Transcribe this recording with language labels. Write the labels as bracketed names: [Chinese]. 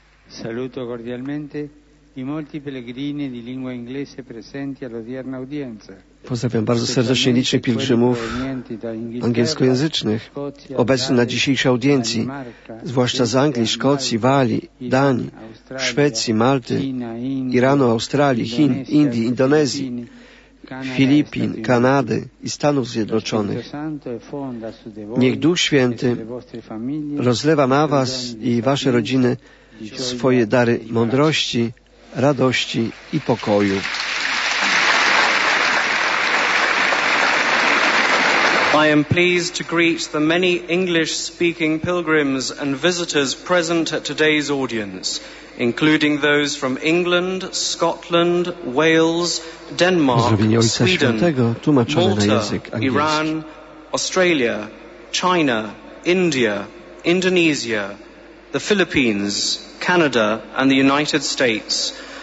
[Italian] Saluto cordialmente i molti pellegrini di lingua inglese presenti all'odierna udienza. [Polish] Pozdrawiam bardzo serdecznie licznych pielgrzymów angielskojęzycznych obecnych na dzisiejszej audiencji, zwłaszcza z Anglii, Szkocji, Walii, Danii, Szwecji, Malty, Iranu, Australii, Chin, Indii, Indonezji, Filipin, Kanady i Stanów Zjednoczonych. Niech Duch Święty rozlewa na was i wasze rodziny swoje dary mądrości, radości i pokoju. [English] I am pleased to greet the many English-speaking pilgrims and visitors present at today's audience, including those from England, Scotland, Wales, Denmark, Sweden, Malta, Iran, Australia, China, India, Indonesia, the Philippines, Canada, and the United States.